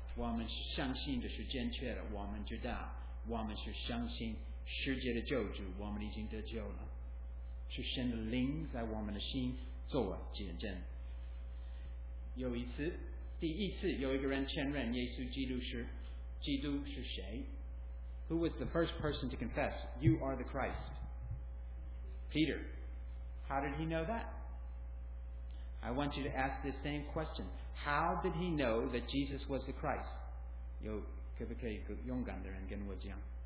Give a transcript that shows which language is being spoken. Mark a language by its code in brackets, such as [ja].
[zh] 我们相信的是正确的，我们知道我们是相信世界的救主，我们已经得救了，是神的灵在我们的心做见证。有一次，第一次有一个人承认耶稣基督是基督是谁。 [en] Who was the first person to confess you are the Christ? Peter. How did he know that? I want you to ask the same question. How did he know that Jesus was the Christ? [zh] 有可不可以勇敢的人跟我讲？